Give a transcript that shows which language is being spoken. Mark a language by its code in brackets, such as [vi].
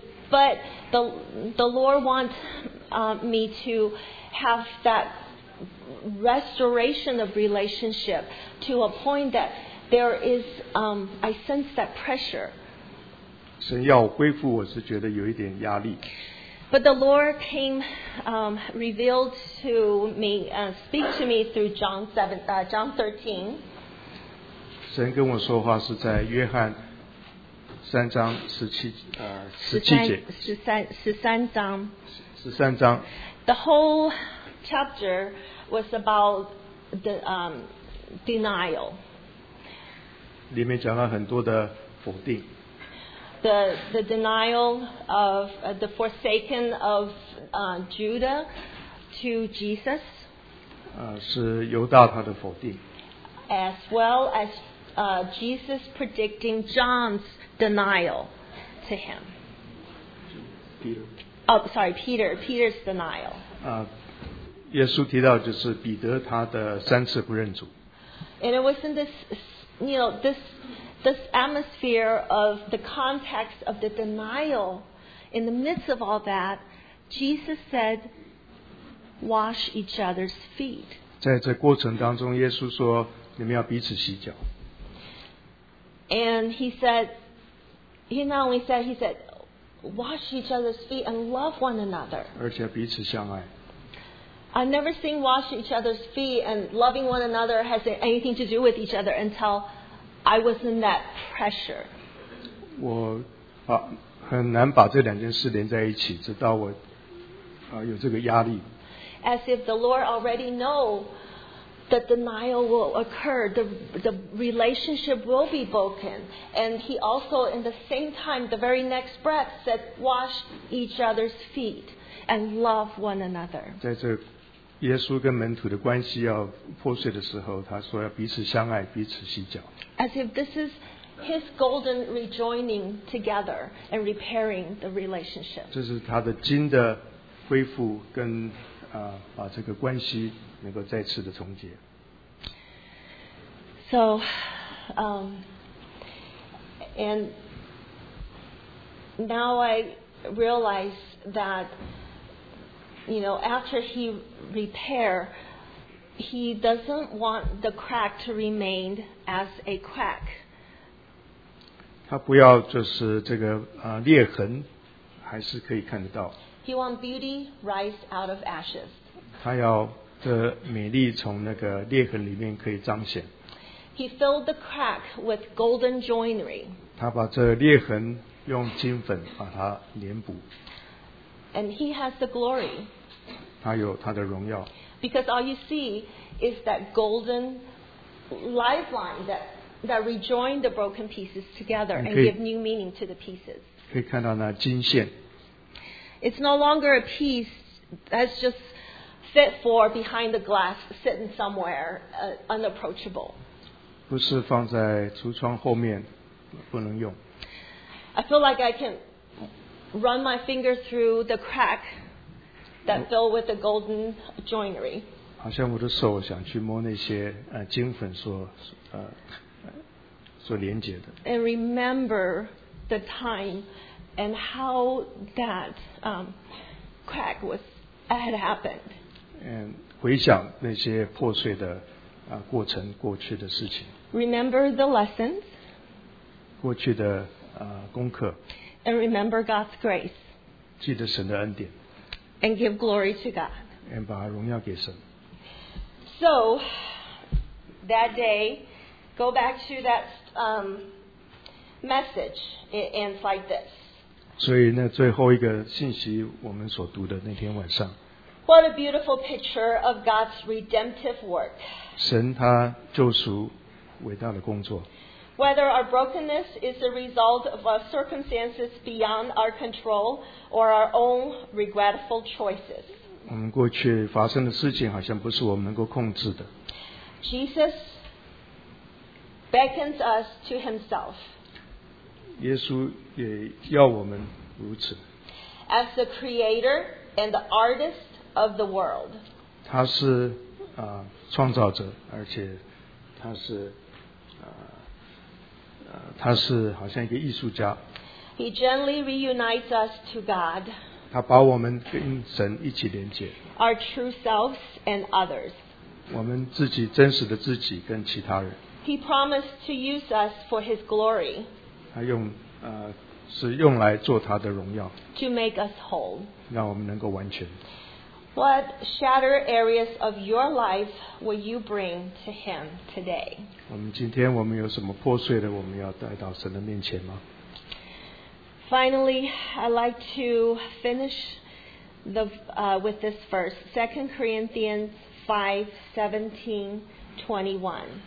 [en] But the Lord wants me to have that restoration of relationship to a point that there is, I sense that pressure. [zh] 神要恢复，我是觉得有一点压力。 [en] But the Lord came, revealed to me, speak to me through John 13. [zh] 神跟我说话是在约翰三章十三章。 [en] The whole chapter was about the denial. [zh] 里面讲了很多的否定。 [en] The denial of the forsaken of Judah to Jesus. [zh] 是犹大他的否定。 [en] As well as Jesus predicting John's denial to him. Peter. Oh, sorry, Peter. Peter's denial. [zh] 耶稣提到就是彼得他的三次不认主。 [en] And it was in this atmosphere of the context of the denial, in the midst of all that, Jesus said, wash each other's feet. [zh] 在过程当中，耶稣说，你们要彼此洗脚。 [en] And he said, he not only said, he said, wash each other's feet and love one another. [zh] 而且彼此相爱。 [en] I've never seen wash each other's feet and loving one another has anything to do with each other until I was in that pressure. [zh] 我很难把这两件事连在一起，直到我有这个压力。 [en] As if the Lord already know that denial will occur, the relationship will be broken, and He also, in the same time, the very next breath, said, "Wash each other's feet and love one another." [zh] 在这耶稣跟门徒的关系要破碎的时候，他说要彼此相爱，彼此洗脚。 [en] As if this is his golden rejoining together and repairing the relationship. [zh] 这是他的金的恢复跟把这个关系能够再次的重结。 [en] So, and now I realize that, you know, after he repair, he doesn't want the crack to remain as a crack. [zh] 他不要就是这个裂痕还是可以看得到。 [en] He want beauty rise out of ashes. [zh] 他要这美丽从那个裂痕里面可以彰显。 [en] He filled the crack with golden joinery. [zh] 他把这裂痕用金粉把它粘补。 [en] And he has the glory. [zh] 他有他的荣耀。 [en] Because all you see is that golden lifeline that rejoin the broken pieces together and give new meaning to the pieces. [zh] 可以看到那金线。 [en] It's no longer a piece that's just fit for behind the glass, sitting somewhere, unapproachable. [zh] 不是放在橱窗后面，不能用。 [en] I feel like I can run my finger through the crack that filled with the golden joinery. [zh] 好像我的手想去摸那些金粉所连接的。 [en] And remember the time and how that crack had happened. And [zh] 回想那些破碎的过程，过去的事情。 [en] Remember the lessons. [zh] 过去的功课。 [en] And remember God's grace. [zh] 记得神的恩典。 [en] And give glory to God. And [zh] 把荣耀给神。 [en] So, that day, go back to that message and fight this. [zh] 所以那最后一个信息我们所读的那天晚上。 [en] What a beautiful picture of God's redemptive work. [zh] 神他救赎伟大的工作。 [en] Whether our brokenness is a result of our circumstances beyond our control or our own regretful choices. [zh] 我们过去发生的事情好像不是我们能够控制的。 [en] Jesus beckons us to himself. [zh] 耶稣也要我们如此。 [en] As the creator and the artist of the world. [zh] 他是创造者，而且他是他是好像一个艺术家。 [en] He gently reunites us to God. [zh] 他把我们跟神一起连接。 [en] Our true selves and others. [zh] 我们自己真实的自己跟其他人。 [en] He promised to use us for His glory. [zh] 他用是用来做他的荣耀。 [en] To make us whole. [zh] 让我们能够完全。 [en] What shattered areas of your life will you bring to him today? [zh] 我们今天我们有什么破碎的，我们要带到神的面前吗？ [en] Finally, I'd like to finish the, with this verse, 2 Corinthians 5:17-21.